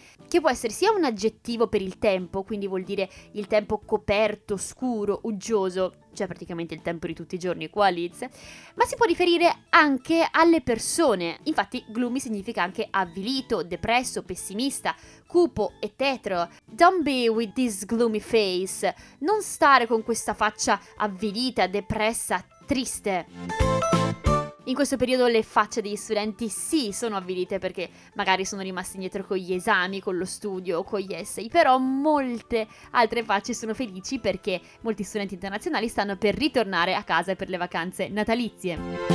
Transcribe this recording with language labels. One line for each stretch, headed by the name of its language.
Italian: che può essere sia un aggettivo per il tempo, quindi vuol dire il tempo coperto, scuro, uggioso, cioè praticamente il tempo di tutti i giorni, qualiz, ma si può riferire anche alle persone. Infatti gloomy significa anche avvilito, depresso, pessimista, cupo e tetro.
English: Don't be with this gloomy face.
Italian: Non stare con questa faccia avvilita, depressa, triste. In questo periodo le facce degli studenti sì sono avvilite perché magari sono rimasti indietro con gli esami, con lo studio, con gli essay, però molte altre facce sono felici perché molti studenti internazionali stanno per ritornare a casa per le vacanze natalizie.